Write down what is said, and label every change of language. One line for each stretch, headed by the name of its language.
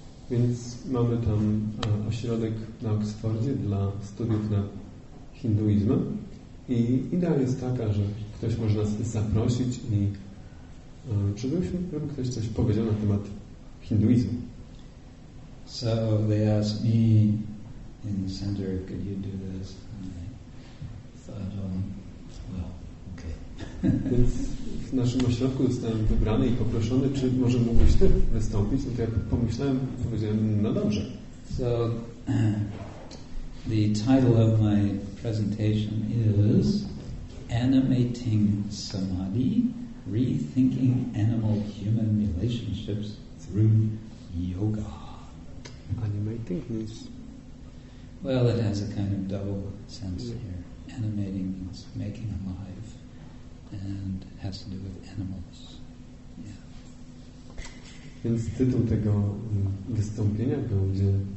Polish: Więc mamy tam ośrodek na Oxfordzie dla studiów na hinduizm. I idea jest taka, że ktoś może nas zaprosić i żeby ktoś coś powiedział na temat hinduizmu.
English: So they asked me in the center, could you do this? And I thought, okay.
Polish: Więc w naszym ośrodku zostałem wybrany i poproszony, czy może mógłbyś ty wystąpić? No to ja pomyślałem, powiedziałem, no dobrze.
English: So the title of my presentation is Animating Samadhi, Rethinking Animal-Human Relationships Through Yoga. Animating means? Well, it has a kind of double sense here. Animating means making alive, and has to do with animals. Yeah.
Polish: Więc tytuł tego wystąpienia będzie